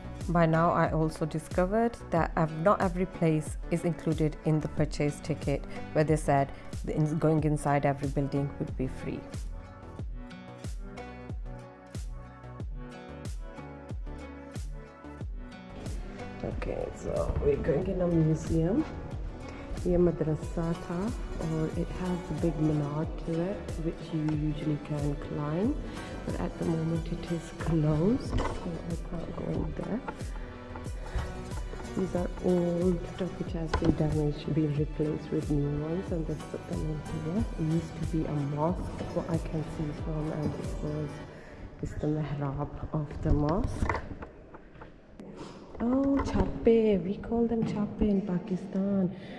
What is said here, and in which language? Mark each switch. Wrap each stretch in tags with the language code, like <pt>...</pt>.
<en>By now, I also discovered that not every place is included in the purchase ticket, where they said going inside every building would be free. Okay, so we're going in a museum.</en> <hi>ये मदरसा था</hi> <en>और it has a big minar to it which you usually can climb but at the moment it is closed so I can't go in there. These are old stuff which has been damaged, been replaced with new ones, and this put them in here. It used to be a mosque, what I can see from, and this was is the mihrab of the mosque. Oh, chape, we call them chape in Pakistan.</en>